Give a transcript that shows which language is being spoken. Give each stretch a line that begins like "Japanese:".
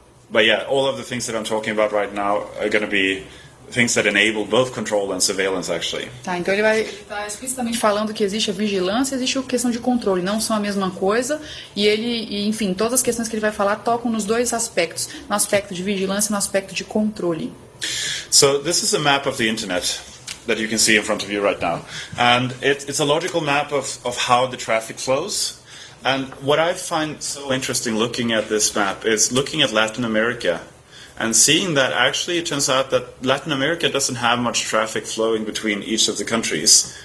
English: But yeah, all of the things that I'm talking about right now are going to be things that enable both control and surveillance, actually.
Portuguese: Tá, então ele vai estar explicitamente falando que existe a vigilância e existe a questão de controle, não são a mesma coisa, enfim, todas as questões que ele vai falar tocam nos dois aspectos, no aspecto de vigilância e no aspecto de controle.
English: So, this is a map of the internet that you can see in front of you right now. And it's a logical map of how the traffic flows. And what I find so interesting looking at this map is looking at Latin America. And seeing that, actually, it turns out that Latin America doesn't have much traffic flowing between each of the countries.